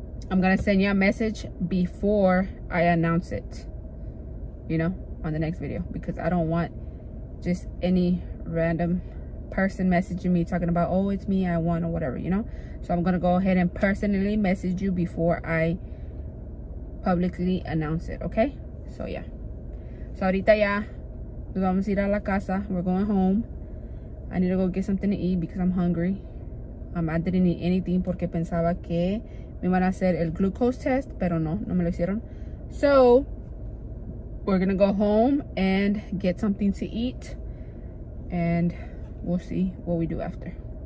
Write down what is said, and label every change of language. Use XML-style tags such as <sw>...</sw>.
<en>I'm going to send you a message before I announce it, you know, on the next video, because I don't want just any random person messaging me talking about, oh, it's me, I won, or whatever, you know. So I'm going to go ahead and personally message you before I publicly announce it. Okay, so yeah.</en> <es>So ahorita ya, vamos a ir a la casa.</es> <en>We're going home. I need to go get something to eat because I'm hungry. I didn't eat anything</en> <es>porque pensaba que me van a hacer el</es> <en>glucose test,</en> <es>pero no me lo hicieron.</es> <en>So, we're gonna go home and get something to eat, and we'll see what we do after.</en>